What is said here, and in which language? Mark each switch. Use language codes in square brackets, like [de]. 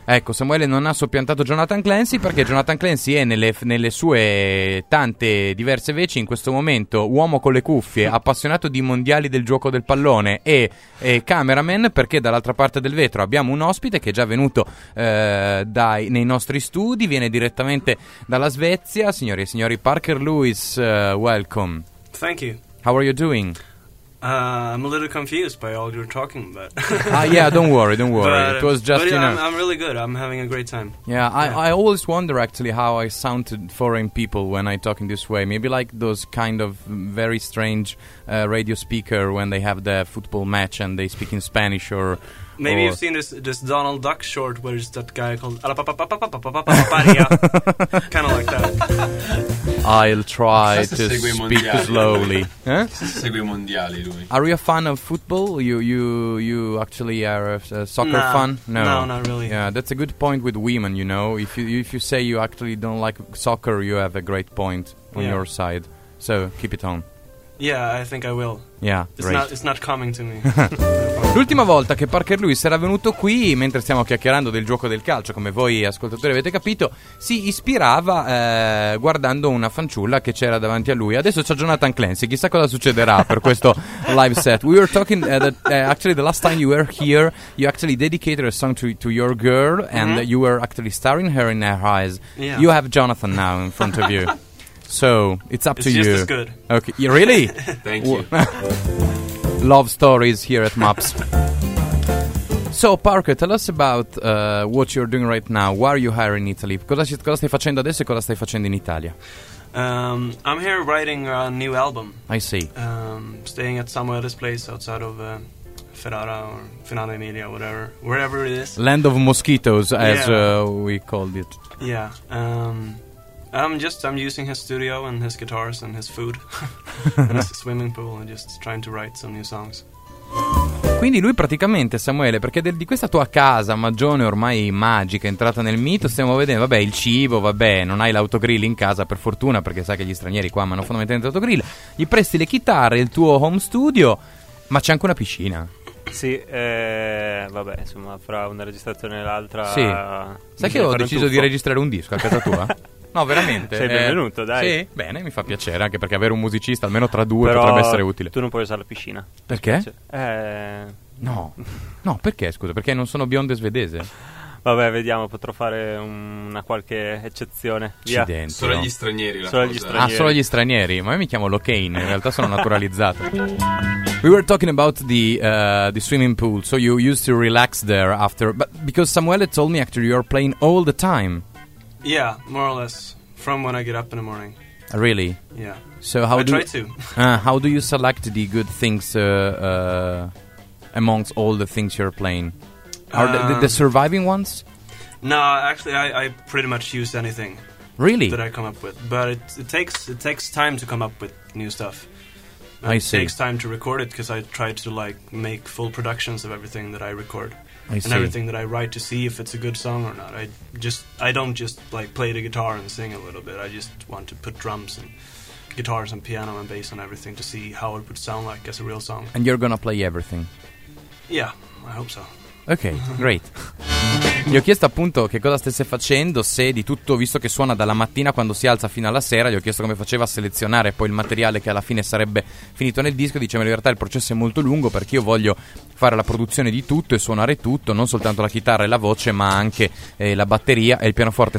[it] Ecco, Samuele non ha soppiantato Jonathan Clancy perché Jonathan Clancy è nelle sue tante diverse veci in questo momento uomo con le cuffie, appassionato di mondiali del gioco del pallone e cameraman, perché dall'altra parte del vetro abbiamo un ospite che è già venuto nei nostri studi, viene direttamente dalla Svezia. Signori e signori, Parker Lewis, [en] welcome. Thank you. How are you doing? I'm a little confused by all you're talking about. yeah, don't worry. But, it was just, but, you know. I'm really good. I'm having a great time. Yeah, yeah. I always wonder actually how I sound to foreign people when I talk in this way. Maybe like those kind of very strange radio speaker when they have the football match and they speak in Spanish or... Maybe you've seen this Donald Duck short where it's that guy called Alapapapapapapapaparia. Kind of like that. I'll try to speak slowly. [it] Segue mondiali, lui. [en] Are you a fan of football? You actually are a soccer fan? No, not really. Yeah, that's a good point with women, you know. If you say you actually don't like soccer, you have a great point on your side. So, keep it on. Yeah, I think I will. Yeah, it's not coming to me. [it] L'ultima volta che Parker Lewis era venuto qui, mentre stiamo chiacchierando del gioco del calcio, come voi ascoltatori avete capito, si ispirava guardando una fanciulla che c'era davanti a lui. Adesso c'è Jonathan Clancy, chissà cosa succederà per questo live set. [en] We were talking actually the last time you were here, you actually dedicated a song to your girl and you were actually starring her in her eyes. Yeah. You have Jonathan now in front of you. So, it's up it's to you. It's just as good. Okay, really? Thank you. Love stories here at MAPS. So, Parker, tell us about what you're doing right now. Why are you here in Italy? [it] Cosa stai facendo adesso e cosa stai facendo in Italia? [en] I'm here writing a new album. I see. Staying at Samuele's place outside of Ferrara or Finale Emilia, whatever. Wherever it is. Land of mosquitoes, as we called it. Yeah. I'm using his studio and his guitars and his food and his swimming pool and just trying to write some new songs. [it] Quindi lui praticamente, Samuele, perché di questa tua casa magione ormai magica entrata nel mito, stiamo vedendo, vabbè, il cibo, vabbè, non hai l'autogrill in casa per fortuna, perché sai che gli stranieri qua hanno fondamentalmente l'autogrill, gli presti le chitarre, il tuo home studio, ma c'è anche una piscina. Sì, vabbè, insomma, fra una registrazione e l'altra. Sì. Sai che ho deciso di registrare un disco a casa tua? No, veramente. Sei benvenuto, dai. Sì, bene, mi fa piacere, anche perché avere un musicista, almeno tra due, però potrebbe essere utile. Tu non puoi usare la piscina. Perché? No. No, perché, scusa? Perché non sono biondo e svedese. Vabbè, vediamo, potrò fare una qualche eccezione. Accidenti. Solo agli stranieri la solo cosa. Gli stranieri. Ah, solo agli stranieri. Ma io mi chiamo Locaine, in realtà sono naturalizzato. [en] We were talking about the swimming pool, so you used to relax there after... But because Samuele told me actually you are playing all the time. Yeah, more or less, from when I get up in the morning. Really? Yeah. So how I do try to. How do you select the good things amongst all the things you're playing? Are the surviving ones? No, actually, I pretty much use anything. Really? That I come up with. But it takes time to come up with new stuff. I see. It takes time to record it, because I try to like make full productions of everything that I record. I and see. Everything that I write to see if it's a good song or not. I don't just like play the guitar and sing a little bit. I just want to put drums and guitars and piano and bass and everything to see how it would sound like as a real song. And you're gonna play everything? Yeah, I hope so. Ok, great. [it] Gli ho chiesto appunto che cosa stesse facendo, se di tutto, visto che suona dalla mattina quando si alza fino alla sera, gli ho chiesto come faceva a selezionare poi il materiale che alla fine sarebbe finito nel disco. Dice, ma in realtà il processo è molto lungo, perché io voglio fare la produzione di tutto e suonare tutto, non soltanto la chitarra e la voce, ma anche la batteria e il pianoforte.